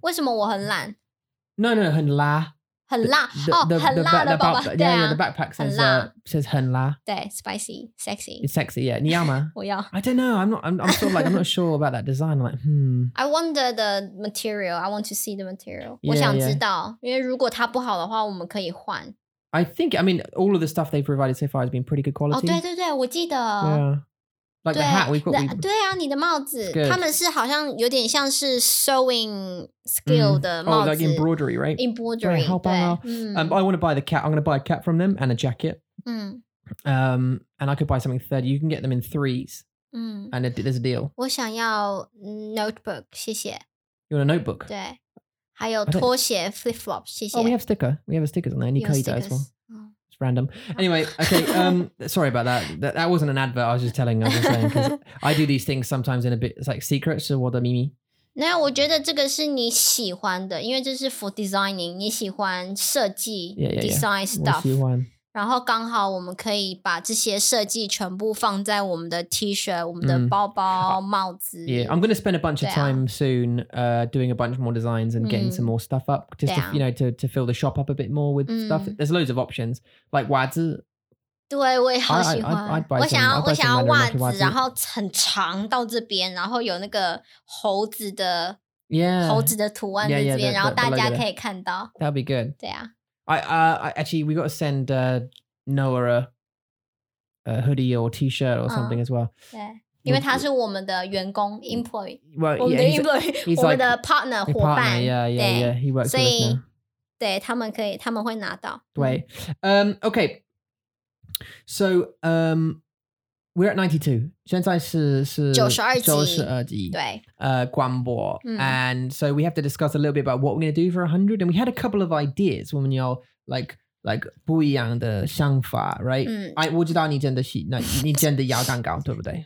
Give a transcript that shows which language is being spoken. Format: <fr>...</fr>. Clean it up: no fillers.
<zh>为什么我很辣？ No, 很辣。很辣。很辣的包包。</zh> <en>Yeah, the backpack says 很辣。对 ,spicy, sexy. It's sexy, yeah.</en> <zh>你要吗？我要。</zh> <en>I don't know, I'm sort of like, I'm not sure about that design. I'm like, I wonder the material, I want to see the material.</en> <zh>Yeah, 我想知道 因为如果它不好的话我们可以换。</zh> <en>I think, I mean, all of the stuff they've provided so far has been pretty good quality.</en> <zh>哦、oh, 对对对我记得。</zh> <en>Yeah. Like the hat, we've got...</en> <zh>The, 对啊你的帽子。他们是好像有点像是</zh> <en>sewing skill</en> <zh>的帽子。</zh> <en>Oh, like embroidery, right? Embroidery, 对。</en> <zh>好棒哦。</zh> <en>I want to buy the cap, I'm going to buy a cap from them and a jacket. And I could buy something third. You can get them in threes. And there's a deal.</en> <zh>我想要 notebook, 谢谢。</zh> <en>You want a notebook?</en> <zh>对。还有拖鞋 flip-flop, 谢谢。</zh> <en>Oh, we have sticker. We have a sticker on there. You can use that as well. It's random. Anyway, okay, sorry about that. That wasn't an advert. I was just telling, because I do these things sometimes in a bit, it's like secrets of what the Mimi.</en> <zh>No, 我觉得这个是你喜欢的，因为这是</zh> <en>for designing,</en> <zh>你喜欢设计</zh> <en>design stuff.</en> <zh>我喜欢。然后刚好我们可以把这些设计全部放在我们的 T-shirt, 我们的包包、帽子。</zh> <en>Yeah, I'm going to spend a bunch of time soon doing a bunch more designs and getting some more stuff up. Just to, you know, to fill the shop up a bit more with stuff. There's loads of options. Like 袜子。</en> <zh>对，我也好喜欢。我想要袜子，然后很长到这边，然后有那个猴子的、猴子的图案在这边，</zh> <en>yeah,</en> <zh>然后大家可以看到。</zh> <en>That'll be good.</en> <zh>对啊。</zh> <en>Actually, we got to send Noah a hoodie or t-shirt or something as well. Yeah, because he's our employee. Well, yeah, he's our partner, like, partner. Yeah. He works with us now.</en> <zh>对，他们会拿到。</zh> <en>对。Okay. So, we're at 92.</en> <zh>现在是 92集。对。广播。</zh> <en>And so we have to discuss a little bit about what we're going to do for 100. And we had a couple of ideas when you're...</en> <zh>Like 不一样的想法 right? I 我知道你真的是那你真的要蛋糕对不对？</zh>